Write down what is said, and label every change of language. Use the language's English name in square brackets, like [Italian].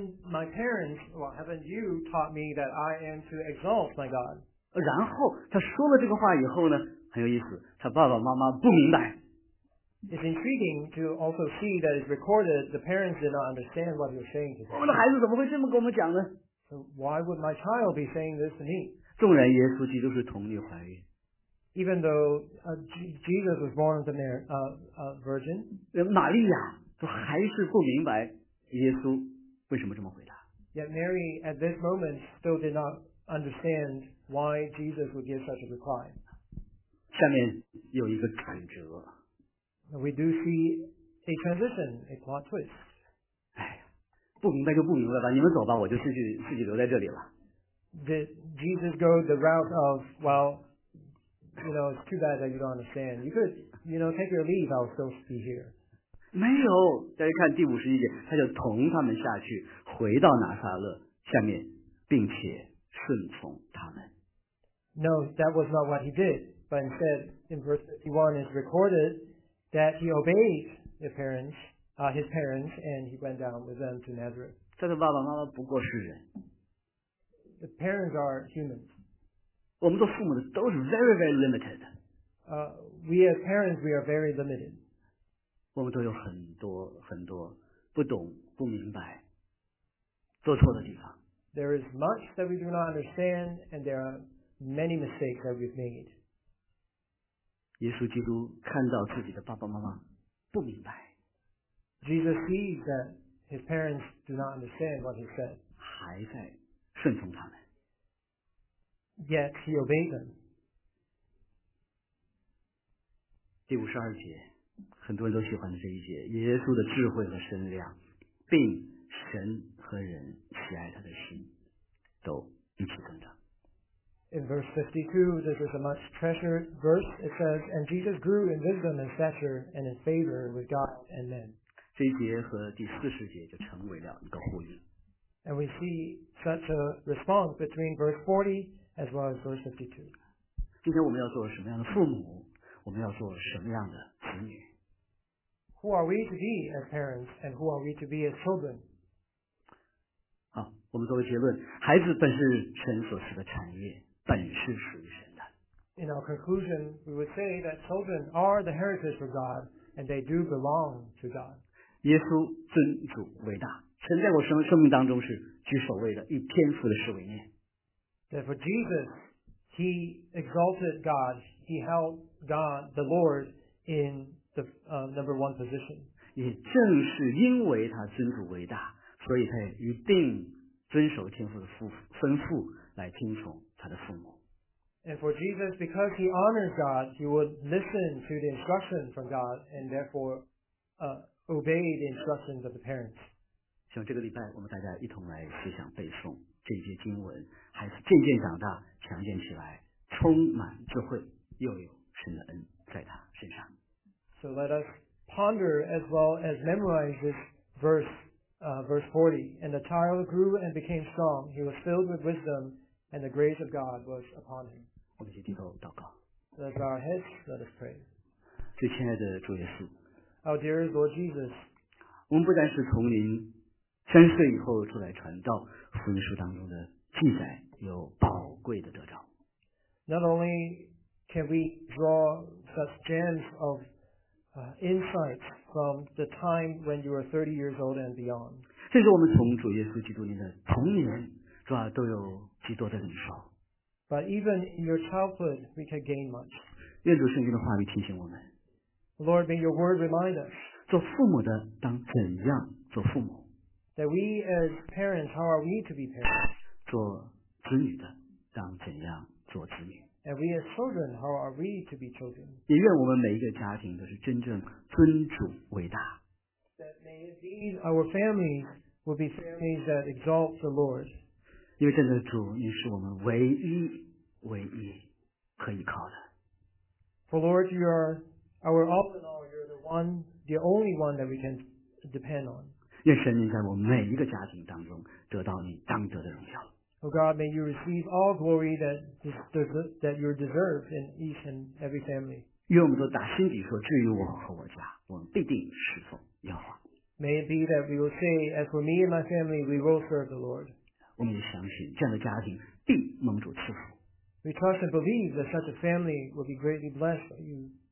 [English] Haven't you taught me that I am to exalt my God? [Chinese] 然后他说了这个话以后呢，很有意思，他爸爸妈妈不明白。 [English] It's intriguing to also see that it's recorded the parents did not understand what you're saying to them. [Chinese] 我的孩子怎么会这么跟我们讲呢？ [English] So why would my child be saying this to me? [Chinese] 纵然耶稣基督是童女怀孕。 [English] Even though Jesus was born of a virgin. [Chinese] 玛利亚都还是不明白耶稣为什么这么回答 [English] ？Yet Mary at this moment still did not understand why Jesus would give such a reply. [Chinese] 下面有一个转折。 [English] We do see a transition, a plot twist. [Chinese] 哎，不明白就不明白吧，你们走吧，我就自己留在这里了。 [English] Did Jesus go the route of, well, you know, it's too bad that you don't understand. You could, you know, take your leave. I'll still be here. [Chinese] 没有，大家看第五十一节，他就同他们下去，回到拿撒勒，下面，并且顺从他们。 [English] No, that was not what he did, but instead, in verse 51 is recorded that he obeyed his parents, and he went down with them to Nazareth. [Chinese] 他的爸爸妈妈不过是人。 [English] The parents are humans. [Chinese] 我们做父母的都是 [English] very, very limited. We as parents, we are very limited. [Chinese] 我们都有很多很多不懂不明白做错的地方。 [English] There is much that we do not understand, and there are many mistakes that we've made. [Chinese] 耶稣基督看到自己的爸爸妈妈不明白。 [English] Jesus sees that his parents do not understand what he said. [Chinese] 还在顺从他们。 [English] Yet he obeyed them. [Chinese] 第五十二节。很多人都喜欢这一节，耶稣的智慧和身量，并神和人喜爱他的心，都一起增长。 [English] In verse 52, this is a much treasured verse. It says, "And Jesus grew in wisdom and stature and in favor with God and men." [Chinese] 这一节和第四十节就成为了一个呼应。 [English] And we see such a response between verse 40 as well as verse 52. [Chinese] 今天我们要做什么样的父母？我们要做什么样的子女？ [English] Who are we to be as parents, and who are we to be as children? [Chinese] 好，我们作为结论，孩子本是神所赐的产业，本是属于神的。 [English] In our conclusion, we would say that children are the heritage of God, and they do belong to God. [Chinese] 耶稣尊主伟大，神在我生命当中是居首位的，以天父的事为念。 [English] Therefore, Jesus, he exalted God, he held God, the Lord, in. Number one position. [Chinese] 也正是因为他尊主伟大，所以他一定遵守天父的吩咐来听从他的父母。 [English] And for Jesus, because he honors God, he would listen to the instruction from God, and therefore, obey the instructions of the parents. [Chinese] 像这个礼拜，我们大家一同来思想背诵这些经文，孩子渐渐长大，强健起来，充满智慧，又有神的恩在他身上。 [English] So let us ponder as well as memorize this verse 40. And the child grew and became strong. He was filled with wisdom, and the grace of God was upon him. Let's Let's bow our heads. Let us pray. [Chinese] 最亲爱的主耶稣 [English] Our dear Lord Jesus. [Chinese] 我们不但是从您三岁以后出来传道，福音书当中的记载有宝贵的得着。 [English] Not only can we draw such gems of insight from the time when you were 30 years old and beyond. [Chinese] 甚至我们从主耶稣基督您的童年，主啊，都有极多的领受。 [English] But even in your childhood, we can gain much. [Chinese] 愿主圣经的话语提醒我们。 [English] Lord, may your word remind us. [Chinese] 做父母的当怎样做父母？ [English] That we as parents, how are we to be parents? [Chinese] 做子女的当怎样做子女？ [English] And we as children, how are we to be children? [Chinese] 也愿我们每一个家庭都是真正尊主伟大。 [English] That may indeed our families will be families that exalt the Lord. [Chinese] 因为真的主，你是我们唯一唯一可以靠的。 [English] For Lord, you are our all in all. You're the one, the only one that we can depend on. [Chinese] 愿神您在我们每一个家庭当中得到你当得的荣耀。 [English] Oh God, may you receive all glory that you deserve in each and every family. [Chinese] 愿我们都打心底说，至于我和我家，我们必定侍奉耶和华。 [English] May it be that we will say, as for me and my family, we will serve the Lord. [Chinese] 我们也相信这样的家庭必蒙主赐福。 [English] We trust and believe that such a family will be greatly blessed by you.